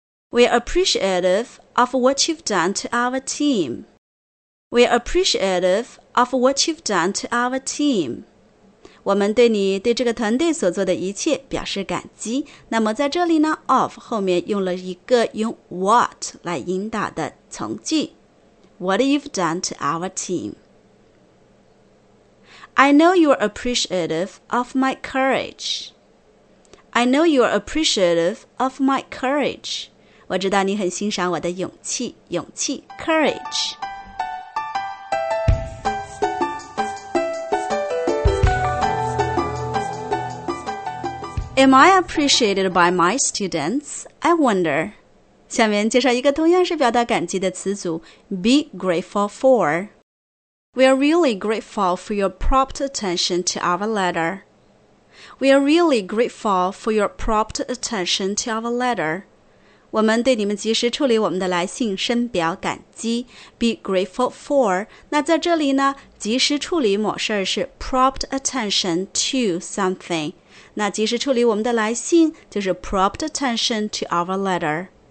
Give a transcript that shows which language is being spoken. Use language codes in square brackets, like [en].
[en] We're appreciative of what you've done to our team. We're appreciative of what you've done to our team. [zh] 我们对你对这个团队所做的一切表示感激。那么在这里呢 of 后面用了一个用 what 来引导的从句。 [en] What you've done to our team. I know you're appreciative of my courage. I know you're appreciative of my courage. [zh] 我知道你很欣赏我的勇气，勇气 [en] courage. 。Am I appreciated by my students? I wonder. [zh] 下面介绍一个同样是表达感激的词组 ，be grateful for. [en] We are really grateful for your prompt attention to our letter. We are really grateful for your prompt attention to our letter. [zh] 我们对你们及时处理我们的来信深表感激。 [en] Be grateful for. [zh] 那在这里呢，及时处理某事是 [en] prompt attention to something. [zh] 那及时处理我们的来信就是 [en] prompt attention to our letter.